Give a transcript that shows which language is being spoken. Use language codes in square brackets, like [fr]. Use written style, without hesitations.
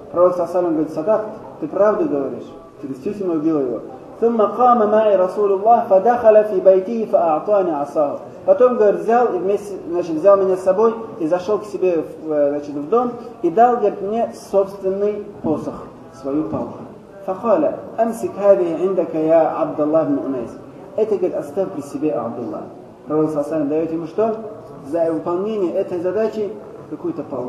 [ru] Пророк Сасалим говорит, Садак, ты правду говоришь? Ты действительно убил его. [ar] ثُمَّ قَامَ مَعِ رَسُولُ اللَّهِ فَدَخَلَ فِي بَيْتِهِ فَأَعْطَانِ عَصَاهُ [ru] Потом, говорит, взял и вместе, значит, взял меня с собой и зашел к себе, значит, в дом и дал, говорит, мне собственный посох, свою палку. [ar] فَقَالَ أَمْسِكْ هَذِهِ عِنْدَكَ يَا عَبْدَ اللَّهِ مُؤْنَيْزِ [ru] Это, говорит, оставь при себе Абдуллах. Пророк Сасалим дает ему что? За выполнение этой задачи какую-то палку.